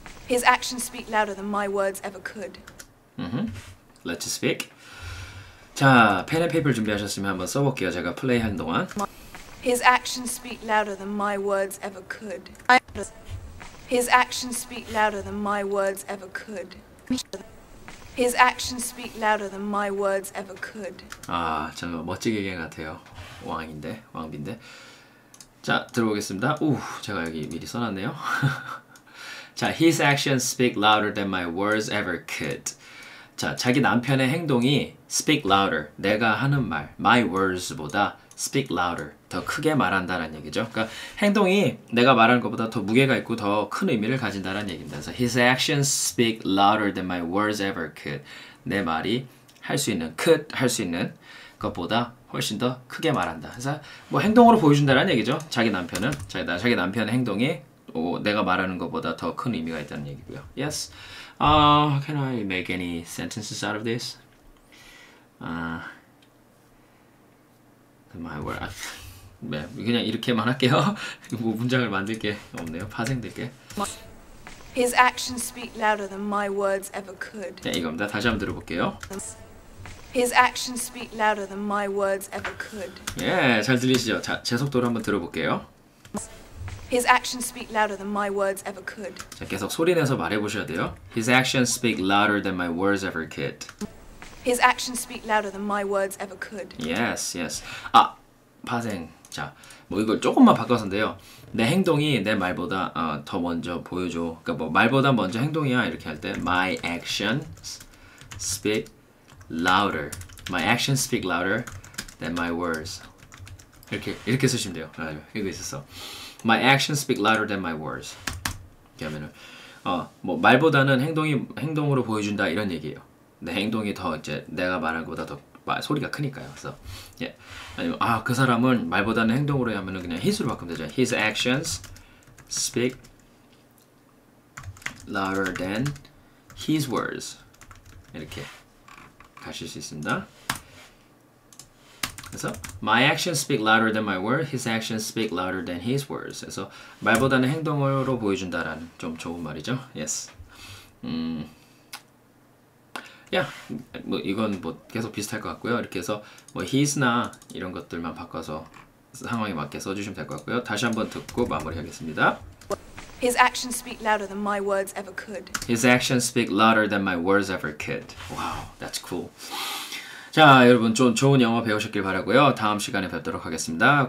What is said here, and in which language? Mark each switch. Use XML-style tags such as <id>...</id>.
<en>His actions speak louder than my words ever could. Let's speak.</en> <ko>자, 펜 앤 페이퍼 준비하셨으면 한번 써볼게요. 제가 플레이하는 동안.</ko> <en>His actions speak louder than my words ever could. His actions speak louder than my words ever could. His actions speak louder than my words ever could.</en> <ko>아, 정말 멋지게 얘기한 것 같아요. 왕인데, 왕비인데. 자, 들어보겠습니다. 우, 제가 여기 미리 써놨네요.</ko> <en>자, his actions speak louder than my words ever could.</en> <ko>자, 자기 남편의 행동이</ko> <en>speak louder,</en> <ko>내가 하는 말,</ko> <en>my words</en> <ko>보다 speak louder, 더 크게 말한다라는 얘기죠. 그러니까 행동이 내가 말하는 것보다 더 무게가 있고 더 큰 의미를 가진다라는 얘기입니다.</ko> <en>그래서 his actions speak louder than my words ever could.</en> <ko>내 말이 할 수 있는,</ko> <en>could</en> <ko>할 수 있는 것보다 훨씬 더 크게 말한다. 그래서 뭐 행동으로 보여준다라는 얘기죠. 자기 남편은, 자기 남편의 행동이 오, 내가 말하는 것보다 더 큰 의미가 있다는 얘기고요.</ko> <en>Yes. Can I make any sentences out of this? My word.</en> <ko>네, 그냥 이렇게만 할게요. 뭐 문장을 만들 게 없네요. 파생될 게.</ko> <en>His actions speak louder than my words ever could.</en> <ko>네, 이겁니다. 다시 한번 들어볼게요.</ko> <en>His actions speak louder than my words ever could.</en> <ko>예, 잘 들리시죠? 자, 제 속도로 한번 들어볼게요.</ko> <en>His actions speak louder than my words ever could.</en> <ko>자, 계속 소리 내서 말해 보셔야 돼요.</ko> <en>His actions speak louder than my words ever could. His actions speak louder than my words ever could. Yes, yes.</en> <ko>아, 파생. 자, 뭐 이걸 조금만 바꿔서인데요. 내 행동이 내 말보다 더 먼저 보여줘. 그러니까 뭐 말보다 먼저 행동이야 이렇게 할 때</ko> <en>my actions speak louder. My actions speak louder than my words.</en> <ko>이렇게 쓰시면 돼요. 아, 이거 있었어.</ko> <en>My actions speak louder than my words.</en> <ko>이렇게 하면은 뭐 말보다는 행동으로 보여준다 이런 얘기예요. 내 행동이 더 이제 내가 말한 것보다 더 소리가 크니까요. 그래서 예 아니면 아 그 사람은 말보다는 행동으로 하면은 그냥 his로 바꾸면 되죠.</ko> <en>His actions speak louder than his words.</en> <ko>이렇게 가실 수 있습니다.</ko> <en>그래서 my actions speak louder than my words. His actions speak louder than his words.</en> <ko>그래서 말보다는 행동으로 보여준다라는 좀 좋은 말이죠.</ko> <en>Yes.</en> <ko>뭐 이건 뭐 계속 비슷할 것 같고요. 이렇게 해서 뭐 his나 이런 것들만 바꿔서 상황에 맞게 써주시면 될 것 같고요. 다시 한번 듣고 마무리하겠습니다.</ko> <en>His actions speak louder than my words ever could. His actions speak louder than my words ever could. Wow, that's cool.</en> <ko>자, 여러분 좀 좋은 영어 배우셨길 바라고요. 다음 시간에 뵙도록 하겠습니다.</ko>